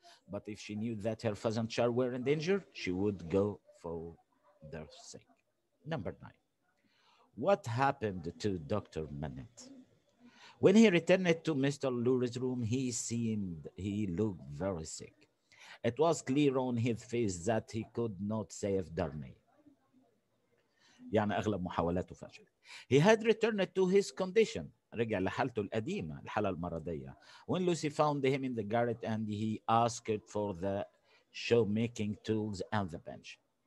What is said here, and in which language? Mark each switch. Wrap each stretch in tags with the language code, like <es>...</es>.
<en>But if she knew that her father and child were in danger, she would go for their sake. Number 9. What happened to Dr. Manette? When he returned to Mr. Lurie's room, he looked very sick. It was clear on his face that he could not save Darnay.</en> <ar>يعني أغلب محاولاته فشلت.</ar> <en>He had returned to his condition.</en> <ar>رجع لحالته القديمة، الحالة المرضية.</ar> <en>When Lucy found him in the garret and he asked for the shoemaking tools and the bench.</en>